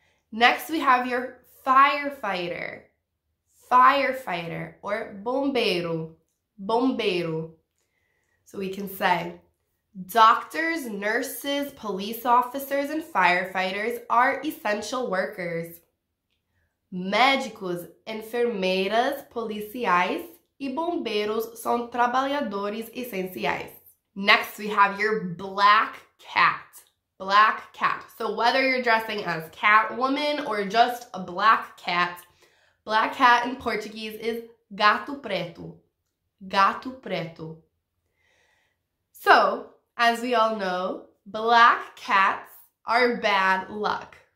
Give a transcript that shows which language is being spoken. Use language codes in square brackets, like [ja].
[en] Next, we have your firefighter. Firefighter or bombeiro, bombeiro. So we can say doctors, nurses, police officers, and firefighters are essential workers. [pt] Médicos, enfermeiras, policiais, e bombeiros são trabalhadores essenciais. [en] Next, we have your black cat, black cat. So whether you're dressing as Catwoman or just a black cat, black cat in Portuguese is gato preto. Gato preto. So, as we all know, black cats are bad luck.